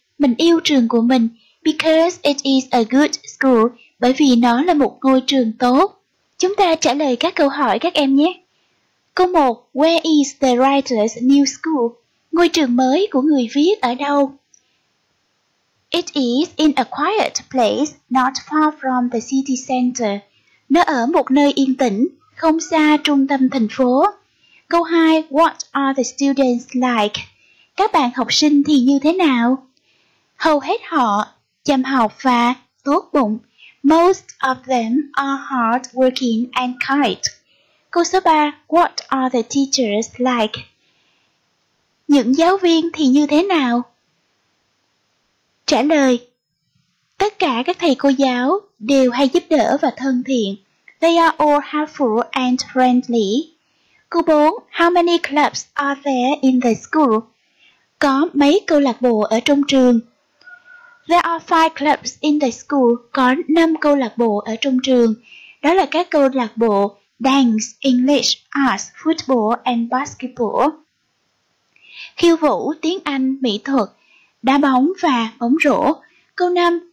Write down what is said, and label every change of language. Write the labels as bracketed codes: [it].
[vi] Mình yêu trường của mình. [en] Because it is a good school. [vi] Bởi vì nó là một ngôi trường tốt. Chúng ta trả lời các câu hỏi các em nhé. Câu 1. [en] Where is the writer's new school? [vi] Ngôi trường mới của người viết ở đâu? [en] It is in a quiet place, not far from the city center. [vi] Nó ở một nơi yên tĩnh, không xa trung tâm thành phố. Câu 2. [en] What are the students like? [vi] Các bạn học sinh thì như thế nào? Hầu hết họ chăm học và tốt bụng. [en] Most of them are hardworking and kind. [vi] Câu số 3. [en] What are the teachers like? [vi] Những giáo viên thì như thế nào? Trả lời. Tất cả các thầy cô giáo đều hay giúp đỡ và thân thiện. [en] They are all helpful and friendly. [vi] Câu 4. [en] How many clubs are there in the school? [vi] Có mấy câu lạc bộ ở trong trường? [en] There are 5 clubs in the school. [vi] Có 5 câu lạc bộ ở trong trường. Đó là các câu lạc bộ Dance, English, Arts, Football and Basketball. Khiêu vũ, tiếng Anh, mỹ thuật, đá bóng và bóng rổ. Câu 5.